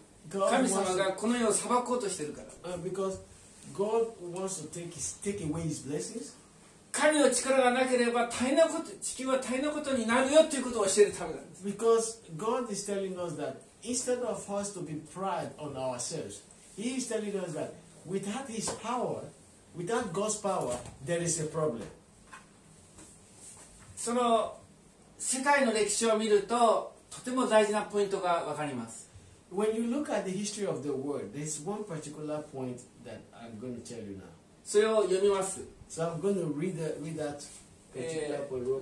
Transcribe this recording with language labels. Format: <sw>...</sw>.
<ja>神様がこの世を裁こうとしているから。</ja> <en>Because God wants to take away His blessings.</en> <ja>神の力がなければ大変なこと、地球は大変なことになるよということを教えるためなんです。</ja> <en>Because God is telling us that instead of us to be proud on ourselves, He is telling us that without His power, without God's power, there is a problem.</en> <ja>その世界の歴史を見るととても大事なポイントがわかります。</ja> <en>When you look at the history of the world, there is one particular point that I'm going to tell you now.</en> <ja>それを読みます。</ja> <en>So I'm going to read that particular point.</en>